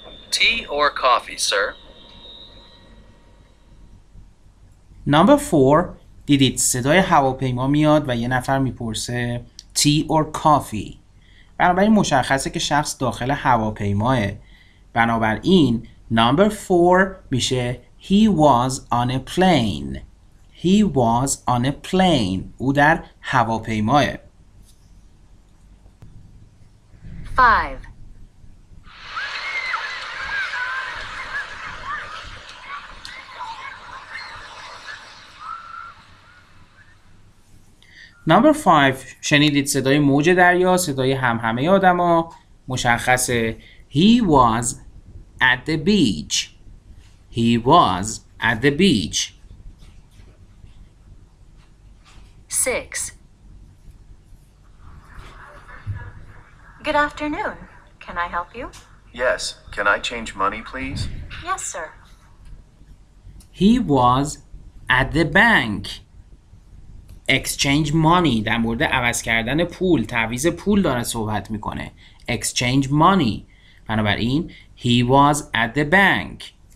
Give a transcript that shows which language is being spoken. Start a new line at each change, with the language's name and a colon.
English: Tea or coffee, sir? Number 4.
Persian: دیدید صدای هواپیما میاد و یه نفر میپرسه
English: tea or coffee.
Persian: بنابراین مشخصه که شخص داخل هواپیماه.
English: بنابراین number 4 میشه he was on a plane. He was on a plane.
Persian: او در هواپیماه. 5.
English: Number 5.
Persian: شنیدید صدای موج دریا، صدای همهمه آدم ها.
English: مشخصه He was at the beach. He was at the beach. 6. Good afternoon. Can I help you? Yes. Can I change money, please? Yes, sir. He was at the bank.
Persian: Exchange money در مورد عوض کردن پول، تعویض پول داره صحبت میکنه.
English: Exchange money. بنابراین he was at the bank.